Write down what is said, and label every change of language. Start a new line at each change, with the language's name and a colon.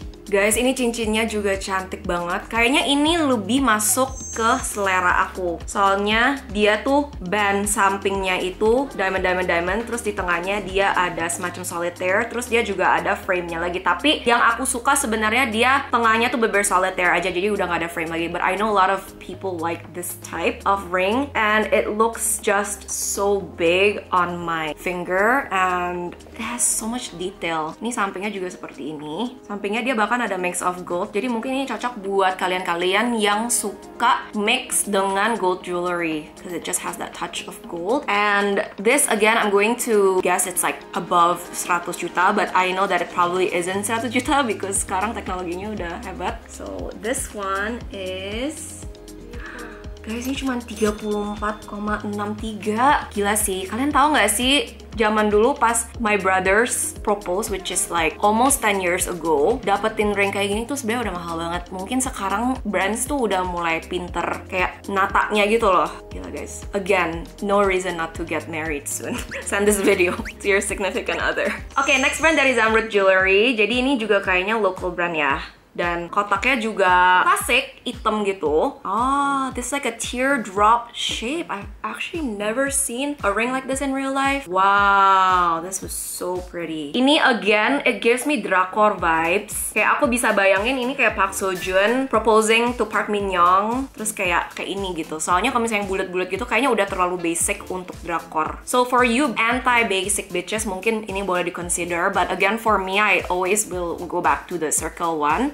Indonesian: Guys, ini cincinnya juga cantik banget. Kayaknya ini lebih masuk ke selera aku. Soalnya dia tuh band sampingnya itu diamond. Terus di tengahnya dia ada semacam solitaire. Terus dia juga ada frame-nya lagi. Tapi yang aku suka sebenarnya dia tengahnya tuh bener-bener solitaire aja. Jadi udah gak ada frame lagi.
English: But I know a lot of people like this type of ring. And it looks just so big on my finger. And it has so much detail.
Indonesian: Ini sampingnya juga seperti ini. Sampingnya dia bahkan ada
English: mix of gold.
Indonesian: Jadi mungkin ini cocok buat kalian-kalian yang suka mix dengan gold jewelry,
English: because it just has that touch of gold. And this again, I'm going to guess it's like above 100 juta, but I know that it probably isn't 100 juta because
Indonesian: sekarang teknologinya udah hebat.
English: So this one is, guys,
Indonesian: ini cuma
English: 34,63.
Indonesian: Gila sih, kalian tahu nggak sih zaman dulu pas
English: my brother's propose, which is like almost 10 years ago,
Indonesian: dapetin ring kayak gini tuh sebenarnya udah mahal banget. Mungkin sekarang brands tuh udah mulai pinter kayak natanya gitu loh. Gila, guys.
English: Again, no reason not to get married soon. Send this video to your significant other. Okay, next brand dari Zamrud Jewelry.
Indonesian: Jadi ini juga kayaknya local brand ya. Dan kotaknya juga klasik, hitam gitu.
English: Oh, this is like a teardrop shape. I've actually never seen a ring like this in real life. Wow, this was so pretty. Ini again, it gives me drakor vibes.
Indonesian: Kayak aku bisa bayangin ini kayak Park Seo Joon
English: proposing to
Indonesian: Park Min Young. Terus kayak ini gitu. Soalnya kalau misalnya bulat-bulat gitu kayaknya udah terlalu basic untuk drakor.
English: So for you anti-basic bitches,
Indonesian: mungkin ini boleh di-consider.
English: But again, for me, I always will go back to the circle one.